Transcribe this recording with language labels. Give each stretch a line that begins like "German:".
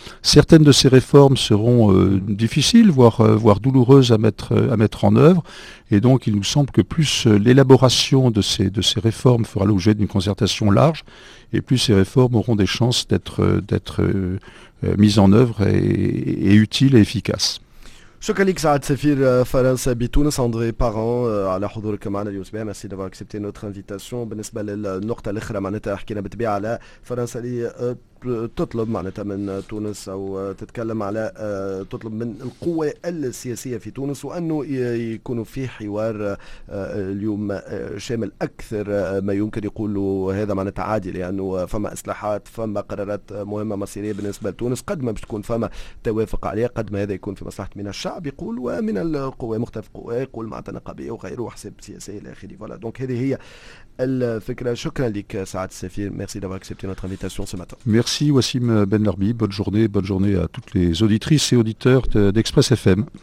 French: Certaines de ces réformes seront difficiles, voire douloureuses à mettre en œuvre. Et donc, il nous semble que plus l'élaboration de ces réformes fera l'objet d'une concertation large, et plus ces réformes auront des chances d'être mises en œuvre et utiles et efficaces.
Arabic: شكرا لك سعاد سفير فرنسا بتونس اندري بارون على حضورك معنا اليوم تبعنا
French: سي دافا اكسبتي نوتر انفيتاسيون.
Arabic: بالنسبه للنقطه الاخرى معناتها حكينا بالطبيعه على فرنسا اللي تطلب معناتها من تونس او تتكلم على تطلب من القوى السياسيه في تونس وانه يكونوا في حوار اليوم شامل اكثر ما يمكن يقولوا هذا معناتها عادي لانه فما اصلاحات فما قرارات مهمه مصيريه بالنسبه لتونس قد ما باش تكون فما توافق عليها قد ما هذا يكون في مصلحه من الشعب يقول ومن القوى مختلف قوى يقول معناتها نقابيه وغيره وحساب سياسي الى اخره
French: فوالا دونك
Arabic: هذه هي الفكره. شكرا لك سعاد السفير
French: ميرسي دافوار اكسبتي نوتر انفيتاسيون سو ماتان. Merci Wassim Ben Larbi, bonne journée à toutes les auditrices et auditeurs d'Express FM.